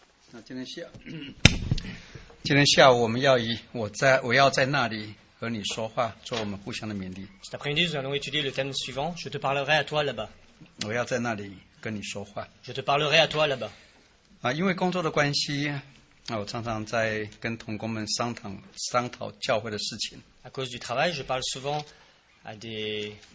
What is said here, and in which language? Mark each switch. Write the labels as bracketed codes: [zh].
[zh] 那今天下今天下午我们要以我在我要在那里和你说话做我们互相的勉励。 [fr] Cet après-midi, nous allons étudier le thème suivant. Je te parlerai à toi là-bas. [zh] 我要在那里跟你说话。 [fr] Je te parlerai à toi là-bas. [zh] 啊，因为工作的关系，我常常在跟同工们商讨教会的事情。 [fr] À cause du travail, je parle souvent à des